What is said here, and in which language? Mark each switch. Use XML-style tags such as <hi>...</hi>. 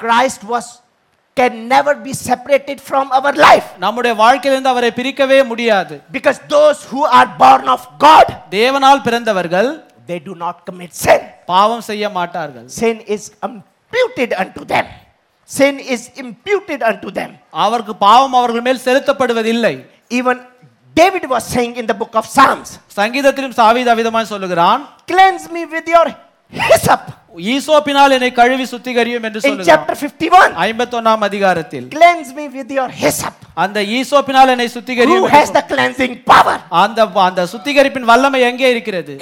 <en>Christ was can never be separated from our life.</en> <ta>நம்முடைய வாழ்க்கையிலிருந்து அவரை பிரிக்கவே முடியாது.</ta> <en>Because those who are born of God,</en> <ta>தேவனால் பிறந்தவர்கள்</ta> <en>they do not commit sin.</en> <ta>பாவம் செய்ய மாட்டார்கள்.</ta> <en>Sin is imputed unto them. Sin is imputed unto them.</en> <ta>அவருக்கு பாவம் அவர்கள் மேல் செலுத்தப்படுவதில்லை.</ta> <en>Even David was saying in the book of Psalms.</en> <ta>சங்கீதத்திலும் சாவி தாவீதுமாய் சொல்கிறான்.</ta> <en>Cleanse me with your hyssop.</en> <ta>ஈசோப்பினால் என்னை கழுவி சுத்திகரியும் என்று சொல்லுகிறார்.</ta> <en>In chapter 51.</en> <ta>51ஆம் அதிகாரத்தில்.</ta> <en>Cleanse me with your hyssop.</en> <ta>அந்த ஈசோப்பினால் என்னை சுத்திகரியும்.</ta> <en>Who has the cleansing power?</en> <ta>அந்த சுத்திகரிப்பின் வல்லமை எங்கே இருக்கிறது?</ta>